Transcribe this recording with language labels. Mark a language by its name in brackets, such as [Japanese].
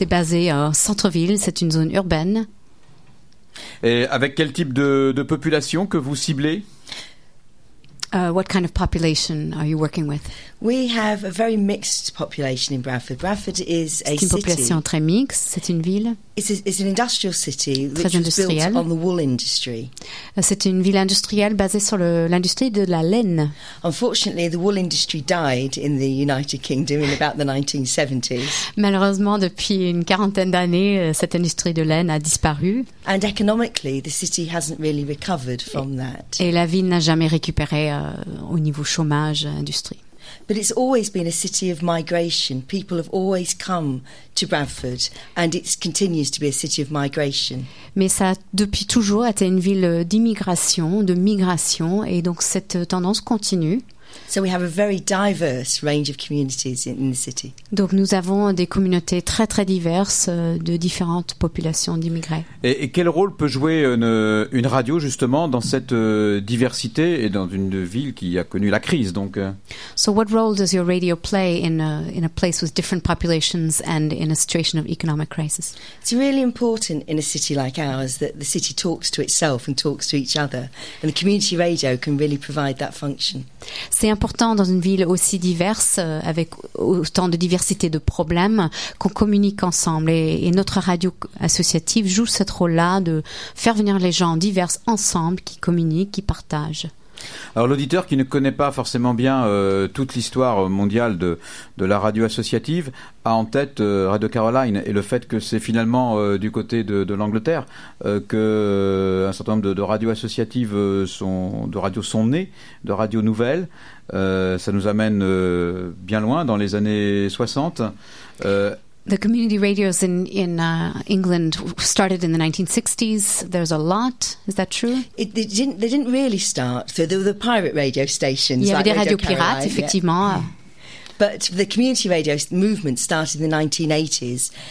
[French] C'est basé en centre-ville. C'est une zone urbaine. Et avec quel type de population que vous ciblez? [English] What kind of population are you working with? We have a very mixed population in Bradford. Bradford is a city. [French] C'est une population très mixte. C'est une ville. [English] It's an industrial city which is built on the wool industry. [French] C'est une ville industrielle basée sur l'industrie de la laine. [English] Unfortunately, the wool industry died in the United Kingdom in about the 1970s. [French] Malheureusement, depuis une quarantaine d'années, cette industrie de laine a disparu. [English] And economically, the city hasn't really recovered from that. [French] Et la ville n'a jamais récupéré au niveau chômage industrie. [English] But it's always been a city of migration. People have always come to Bradford, and it continues to be a city of migration. [French] Mais ça, depuis toujours, était une ville d'immigration, de migration, et donc cette tendance continue. [English] So we have a very diverse range of communities in the city. [French] Donc nous avons des communautés très très diverses de différentes populations d'immigrés. Et quel rôle peut jouer une radio justement dans cette diversité et dans une ville qui a connu la crise donc? [English] So what role does your radio play in a place with different populations and in a situation of economic crisis? It's really important in a city like ours that the city talks to itself and talks to each other, and the community radio can really provide that function. [French] C'est important dans une ville aussi diverse, avec autant de diversité de problèmes, qu'on communique ensemble. Et notre radio associative joue ce rôle-là de faire venir les gens divers ensemble, qui communiquent, qui partagent. Alors l'auditeur qui ne connaît pas forcément bien toute l'histoire mondiale de la radio associative a en tête Radio Caroline et le fait que c'est finalement du côté de l'Angleterre que un certain nombre de radios associatives sont nées, de radios nouvelles. Ça nous amène bien loin dans les années 60. [English] The community radios in England started in the 1960s. There's a lot. Is that true? They didn't really start. So there were the pirate radio stations. [French] Il y avait [English] like [French] des radios [English] radio [French] pirates, effectivement. [English] Yeah. But the community radio movement started in the 1980s.